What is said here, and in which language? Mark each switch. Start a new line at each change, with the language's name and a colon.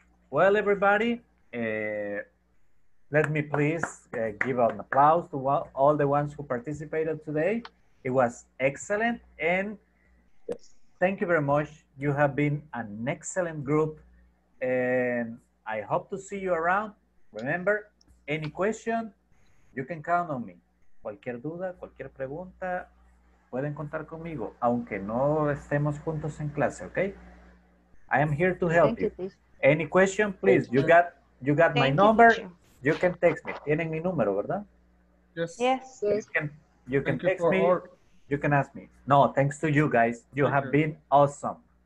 English: Well, everybody, let me please give an applause to all the ones who participated today. It was excellent. And yes. Thank you very much. You have been an excellent group. And I hope to see you around. Remember, any question, you can count on me.
Spanish: Cualquier duda, cualquier pregunta, pueden contar conmigo, aunque no estemos juntos en clase, okay?
English: I am here to help you. Any question, please, you got my number, you can text me.
Spanish: Tienen mi número, ¿verdad?
English: Yes. Yes. You can text me, you can ask me. No, thanks to you guys, you have been awesome.